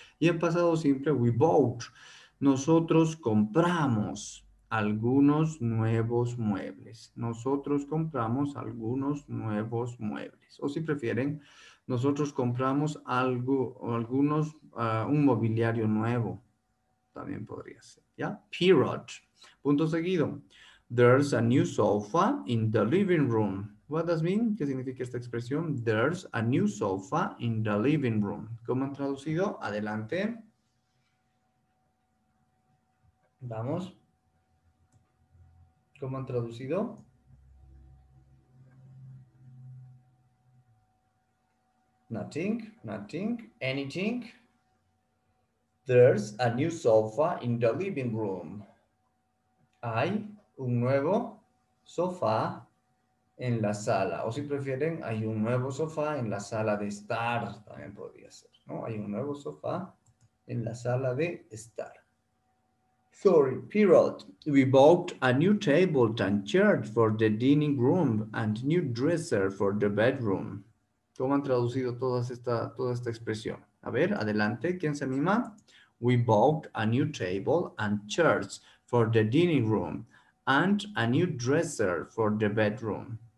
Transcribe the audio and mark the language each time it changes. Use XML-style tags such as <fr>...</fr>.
<es>Y en pasado simple,</es> <en>we bought,</en> <es>nosotros compramos algunos nuevos muebles. Nosotros compramos algunos nuevos muebles. O si prefieren, nosotros compramos un mobiliario nuevo. También podría ser, ¿ya?</es> <en>Period.</en> <es>Punto seguido.</es> <en>There's a new sofa in the living room. What does mean?</en> <es>¿Qué significa esta expresión?</es> <en>There's a new sofa in the living room.</en> <es>¿Cómo han traducido? Adelante. Vamos. ¿Cómo han traducido?</es> <en>Nothing. Anything. There's a new sofa in the living room.</en> <es>Hay un nuevo sofá en la sala. O si prefieren, hay un nuevo sofá en la sala de estar. También podría ser, ¿no? Hay un nuevo sofá en la sala de estar.</es> <en>Sorry, period. We bought a new table and chair for the dining room and new dresser for the bedroom.</en> <es>¿Cómo han traducido toda esta expresión? A ver, adelante. ¿Quién se anima?</es> <en>We bought a new table and chairs for the dining room and a new dresser for the bedroom.</en>